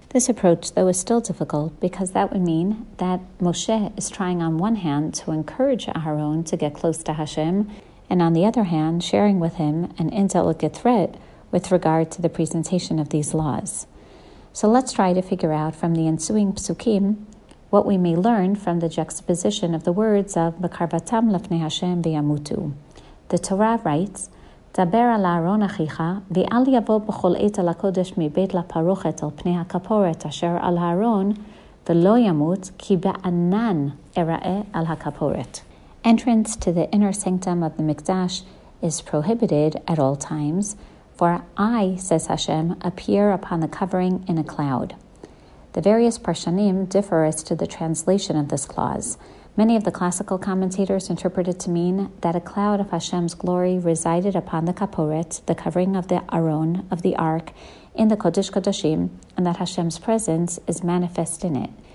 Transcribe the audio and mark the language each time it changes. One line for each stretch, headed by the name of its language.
English: This approach, though, is still difficult because that would mean that Moshe is trying on one hand to encourage Aharon to get close to Hashem, and on the other hand, sharing with him an indelicate threat with regard to the presentation of these laws. So let's try to figure out from the ensuing psukim what we may learn from the juxtaposition of the words of
Hebrew: Bekarvatam Lefnei Hashem V'yamutu. The Torah writes, דבר על אהרון אחיך, ואל יבוא בכל עת על הקודש מבית לפרוכת על פני הכפורת אשר על אהרון, ולא ימות, כי בענן אראה על הכפורת.
English: Entrance to the inner sanctum of the Mikdash is prohibited at all times, for I, says Hashem, appear upon the covering in a cloud. The various parshanim differ as to the translation of this clause. Many of the classical commentators interpret it to mean that a cloud of Hashem's glory resided upon the kaporet, the covering of the aron, of the ark, in the Kodesh Kodashim, and that Hashem's presence is manifest in it.